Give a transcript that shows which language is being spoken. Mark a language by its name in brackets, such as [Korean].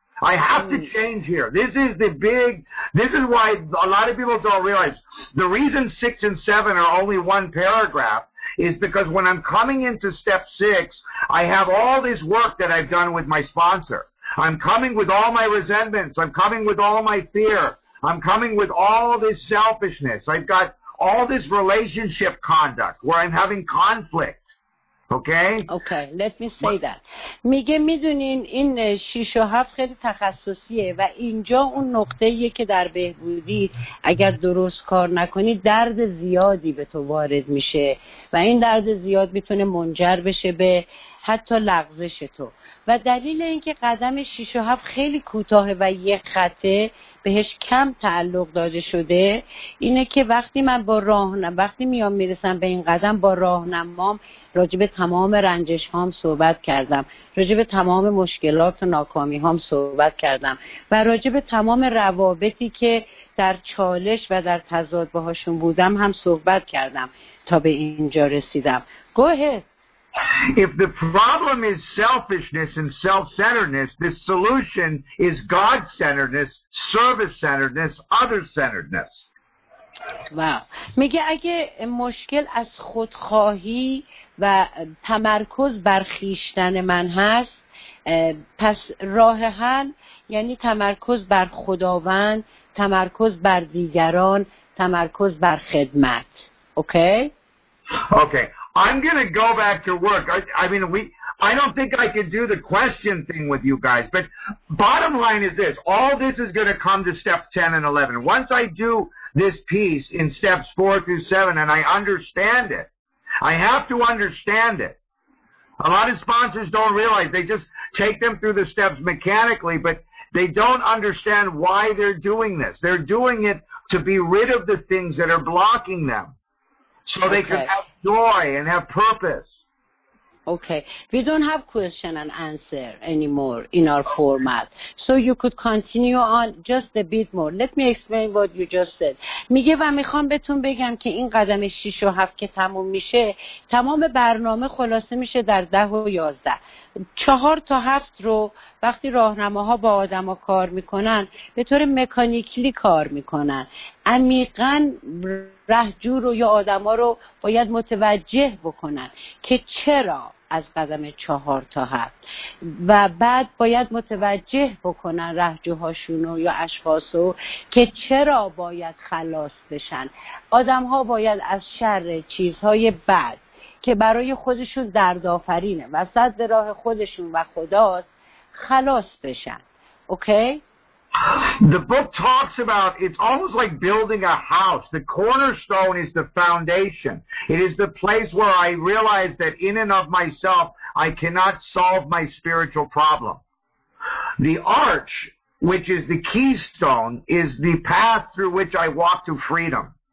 [English] I have to change here. This is the big, this is why a lot of people don't realize the reason 6 and 7 are only one paragraph is because when I'm coming into step 6, I have all this work that I've done with my sponsor. I'm coming with all my resentments. I'm coming with all my fear. I'm coming with all this selfishness. I've got all this relationship conduct where I'm having conflict. Okay, let me say that. [Persian] میگه میدونین این 6 و 7 خیلی تخصصیه و اینجا اون نقطه‌ایه که در بهبودی اگر درست کار نکنی درد زیادی به تو وارد میشه و این درد زیاد میتونه منجر بشه به حتی لغزش تو. و دلیل اینکه قدم 6 و 7 خیلی کوتاهه و یک خطه بهش کم تعلق داده شده اینه که وقتی من با راهنما وقتی میام میرسم به این قدم با راهنمام راجب تمام رنجش هام صحبت کردم، راجب تمام مشکلات و ناکامی هام صحبت کردم و راجب تمام روابطی که در چالش و در تضاد باهاشون بودم هم صحبت کردم تا به اینجا رسیدم. گوهه. [English] If the problem is selfishness and self-centeredness, the solution is God-centeredness, service-centeredness, other-centeredness. Wow. [Persian] میگه اگه مشکل از خودخواهی و تمرکز بر خیشتن من هست، پس راه حل یعنی تمرکز بر خداوند، تمرکز بر دیگران، تمرکز بر خدمت. [English] Okay. I'm going to go back to work. I don't think I can do the question thing with you guys, but bottom line is this. All this is going to come to step 10 and 11. Once I do this piece in steps 4 through 7 and I understand it, I have to understand it. A lot of sponsors don't realize. They just take them through the steps mechanically, but they don't understand why they're doing this. They're doing it to be rid of the things that are blocking them. So they okay. can have joy and have purpose. Okay. We don't have question and answer anymore in our format. So you could continue on just a bit more. Let me explain what you just said. [Persian] میگه و میخوام بهتون بگم که این قدم 6 و 7 که تموم میشه، تمام برنامه خلاصه میشه در 10 و 11. 4 تا 7 رو وقتی راهنماها با آدما کار میکنن، به طور مکانیکلی کار میکنن. عمیقاً رهجور رو یا آدم ها رو باید متوجه بکنن که چرا از قدم 4 تا 7 و بعد باید متوجه بکنن رهجوهاشون رو یا اشخاص رو که چرا باید خلاص بشن. آدم ها باید از شر چیزهای بد که برای خودشون دردآفرینه و صد راه خودشون و خداست خلاص بشن. [English] Okay? The book talks about, it's almost like building a house. The cornerstone is the foundation. It is the place where I realize that in and of myself, I cannot solve my spiritual problem. The arch, which is the keystone, is the path through which I walk to freedom.